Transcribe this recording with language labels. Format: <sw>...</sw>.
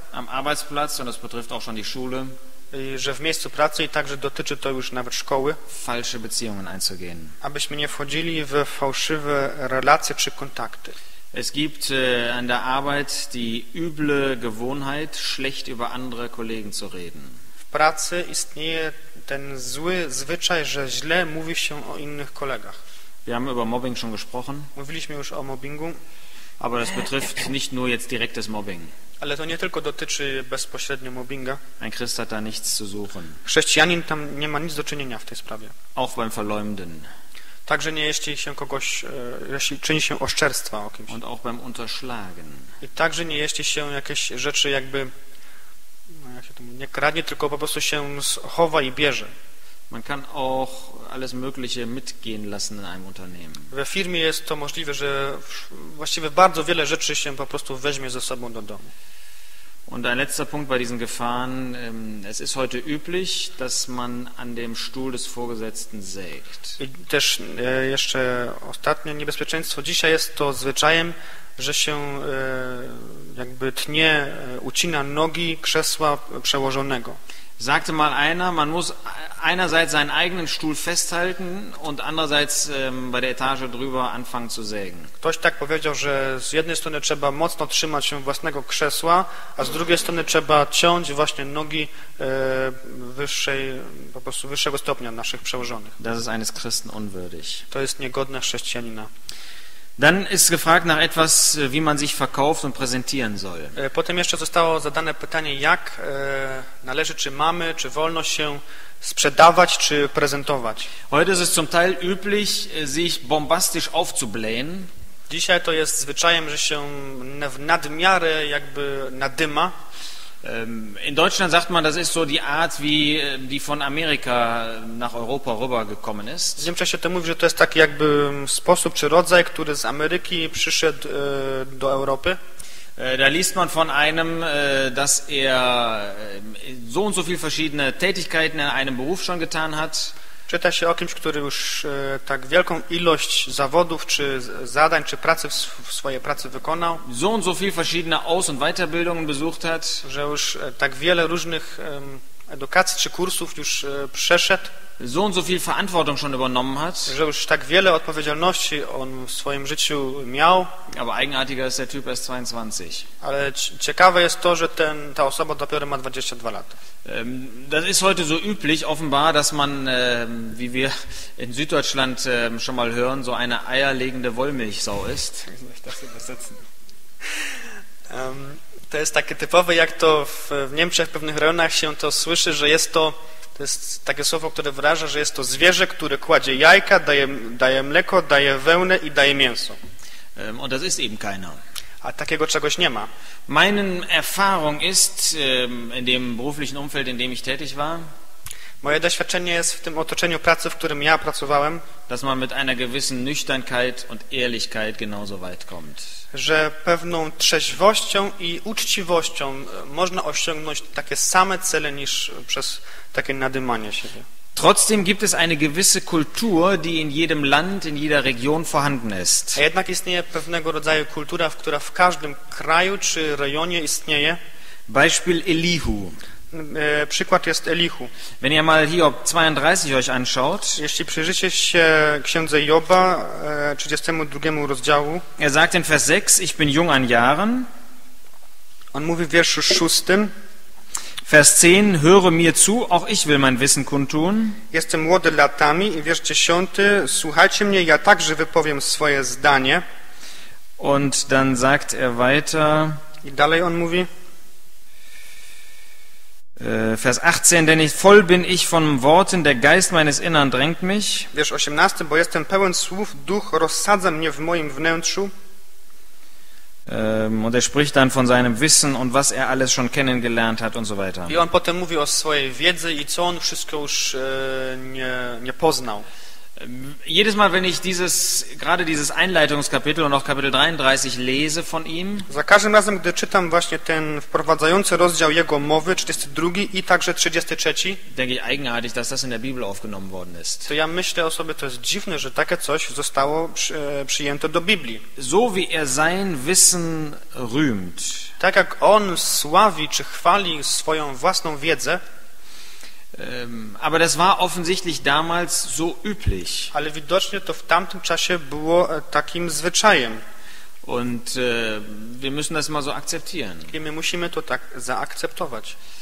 <de>Am Arbeitsplatz, und das betrifft auch schon die Schule.</de> <pl>Że w miejscu pracy i także dotyczy to już nawet szkoły.</pl> <de>Falsche Beziehungen einzugehen.</de> <pl>Abyśmy nie wchodzili w fałszywe relacje czy kontakty.</pl> <de>Es gibt an der Arbeit die üble Gewohnheit, schlecht über andere Kollegen zu reden.</de> <pl>W pracy istnieje ten zły zwyczaj, że źle mówi się o innych kolegach.</pl> <de>Wir haben über Mobbing schon gesprochen.</de> <pl>Mówiliśmy już o mobbingu.</pl> <de>Aber das betrifft nicht nur jetzt direktes Mobbing.</de> <pl>Ale to nie tylko dotyczy bezpośrednio mobbinga.</pl> <de>Ein Christ hat da nichts zu suchen.</de> <pl>Chrześcijanin tam nie ma nic do czynienia w tej sprawie.</pl> <de>Auch beim Verleumden.</de> <pl>Także nie jeśli się kogoś, jeśli czyni się oszczerstwa o kimś.</pl> <de>Und auch beim Unterschlagen.</de> <pl>I także nie jeśli się jakieś rzeczy jakby, no jak się to mówi, nie kradnie, tylko po prostu się chowa i bierze.</pl> <de>Man kann auch alles Mögliche mitgehen lassen in einem Unternehmen.</de> <pl>We firmie jest to możliwe, że właściwie bardzo wiele rzeczy się po prostu weźmie ze sobą do domu.</pl> <de>Und ein letzter Punkt bei diesen Gefahren. Es ist heute üblich, dass man an dem Stuhl des Vorgesetzten sägt.</de> <pl>I też jeszcze ostatnie niebezpieczeństwo. Dzisiaj jest to zwyczajem, że się jakby tnie, ucina nogi krzesła przełożonego.</pl> <de>Sagte mal einer, man muss einerseits seinen eigenen Stuhl festhalten und andererseits bei der Etage drüber anfangen zu sägen.</de> <pl>Ktoś tak powiedział, że z jednej strony trzeba mocno trzymać się własnego krzesła, a z drugiej strony trzeba ciąć właśnie nogi wyższej, po prostu wyższego stopnia naszych przełożonych.</pl> <de>Das ist eines Christen unwürdig.</de> <pl>To jest niegodne chrześcijanina.</pl> <de>Dann ist gefragt nach etwas, wie man sich verkauft und präsentieren soll.</de> <pl>Potem jeszcze zostało zadane pytanie, jak należy, czy mamy, czy wolno się sprzedawać, czy prezentować.</pl> <de>Heute ist es zum Teil üblich, sich bombastisch aufzublähen.</de> <pl>Dzisiaj to jest zwyczajem, że się w nadmiarę jakby nadyma.</pl> <de>In Deutschland sagt man, das ist so die Art, wie die von Amerika nach Europa rübergekommen ist.</de> <pl>W Niemczech to mówi, że to jest taki jakby sposób czy rodzaj, który z Ameryki przyszedł do Europy.</pl> <de>Da liest man von einem, dass er so und so viele verschiedene Tätigkeiten in einem Beruf schon getan hat.</de> <pl>Czyta się o kimś, który już tak wielką ilość zawodów, czy zadań, czy pracy w swojej pracy wykonał.</pl> <de>So und so viel verschiedene Aus- und Weiterbildungen besucht hat.</de> <pl>Że już tak wiele różnych edukacji, czy kursów już przeszedł.</pl> <de>So und so viel Verantwortung schon übernommen hat.</de> <pl>Że już tak wiele odpowiedzialności on w swoim życiu miał.</pl> <de>Aber eigenartiger ist der Typ erst 22.</de> <pl>Ale ciekawe jest to, że ta osoba dopiero ma 22 lat.</pl> <de>Das ist heute so üblich, offenbar, dass man, wie wir in Süddeutschland schon mal hören, so eine eierlegende Wollmilchsau ist.</de> <pl>To jest takie typowe, jak to w Niemczech, w pewnych rejonach się to słyszy, że jest to. To jest takie słowo, które wyraża, że jest to zwierzę, które kładzie jajka, daje mleko, daje wełnę i daje mięso.</pl> <de>Und das ist eben keiner.</de> <pl>A takiego czegoś nie ma.</pl> <de>Meine Erfahrung ist in dem beruflichen Umfeld, in dem ich tätig war.</de> <pl>Moje doświadczenie jest w tym otoczeniu pracy, w którym ja pracowałem.</pl> <de>Dass man mit einer gewissen Nüchternkeit und Ehrlichkeit genauso weit kommt.</de> <pl>Że pewną trzeźwością i uczciwością można osiągnąć takie same cele niż przez takie nadymanie siebie.</pl> <de>Trotzdem gibt es eine gewisse Kultur, die in jedem Land, in jeder Region vorhanden ist.</de> <pl>A jednak istnieje pewnego rodzaju kultura, która w każdym kraju czy rejonie istnieje.</pl> <de>Beispiel Elihu.</de> <pl>Przykład jest Elihu.</pl> <de>Wenn ihr mal Hiob 32 euch anschaut,</de> <pl>jeśli przyjrzycie się księdze Joba, 32 rozdziału,</pl> <de>er sagt in Vers 6, ich bin jung an Jahren.</de> <pl>On mówi w wierszu 6.</pl> <de>Vers 10, höre mir zu, auch ich will mein Wissen kundtun.</de> <pl>Jestem młody latami, i wiersz 10, słuchajcie mnie, ja także wypowiem swoje zdanie.</pl> <de>Und dann sagt er weiter.</de> <pl>I dalej on mówi.</pl> <de>Vers 18, denn ich voll bin ich von Worten, der Geist meines Innern drängt mich.</de> <pl>Wiersz 18, bo jestem pełen słów, Duch rozsadza mnie w moim wnętrzu.</pl> <de>Und er spricht dann von seinem Wissen und was er alles schon kennengelernt hat und so weiter.</de> <pl>I on potem mówi o swojej wiedzy i co on wszystko już nie poznał.</pl> <de>Jedes Mal, wenn ich gerade dieses Einleitungskapitel und auch Kapitel 33 lese von ihm.</de> <pl>Za każdym razem, gdy czytam właśnie ten wprowadzający rozdział jego mowy, 32 i także 33,</pl> <de>denke ich eigenartig, dass das in der Bibel aufgenommen worden ist.</de> <pl>To ja myślę o sobie, to jest dziwne, że takie coś zostało przyjęte do Biblii.</pl> <de>So wie er sein Wissen rühmt.</de> <pl>Tak jak on sławi czy chwali swoją własną wiedzę.</pl> <de>Aber das war offensichtlich damals so üblich.</de> <pl>Ale widocznie to w tamtym czasie było takim zwyczajem.</pl> <de>Und wir müssen das mal so akzeptieren.</de> <pl>I my musimy to tak zaakceptować.</pl>